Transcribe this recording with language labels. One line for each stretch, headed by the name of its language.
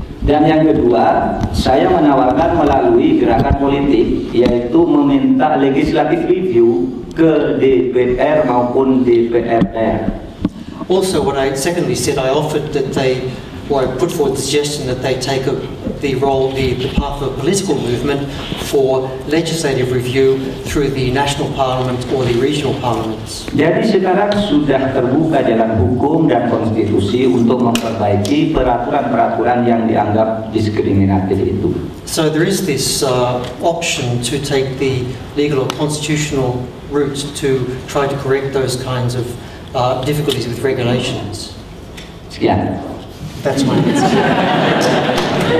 Indonesian: Dan yang kedua, saya menawarkan melalui gerakan politik, yaitu meminta legislative review ke DPR maupun DPRR.
English: Also, what I secondly said, I offered that they, well, I put forward the suggestion that they take the role, the path of a political movement for legislative review through the national parliament or the regional parliaments.
Indonesian: Jadi sekarang sudah terbuka jalan hukum dan konstitusi untuk memperbaiki peraturan-peraturan yang dianggap diskriminatif itu.
English: So there is this option to take the legal or constitutional route to try to correct those kinds of difficulties with regulations. Yeah. That's my answer.